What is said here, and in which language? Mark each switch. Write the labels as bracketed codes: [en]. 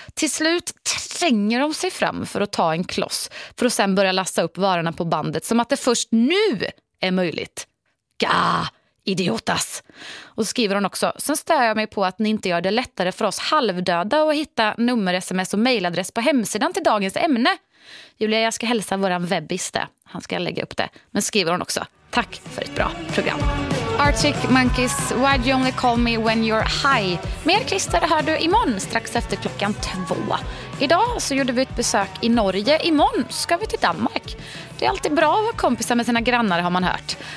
[sv] Till slut tränger de sig fram för att ta en kloss för att sen börja lasta upp varorna på bandet som att det först nu är möjligt. Gah! Idiotas. Och så skriver hon också, sen stör jag mig på att ni inte gör det lättare för oss halvdöda att hitta nummer, sms och mejladress på hemsidan till dagens ämne. Julia, jag ska hälsa våran webbis där. Han ska lägga upp det. Men skriver hon också, tack för ett bra program. [en] Arctic Monkeys, why do you only call me when you're high? [sv] Mer Christer hör du imorgon, strax efter 2:00. Idag så gjorde vi ett besök i Norge. Imorgon ska vi till Danmark. Det är alltid bra att vara kompisar med sina grannar, har man hört.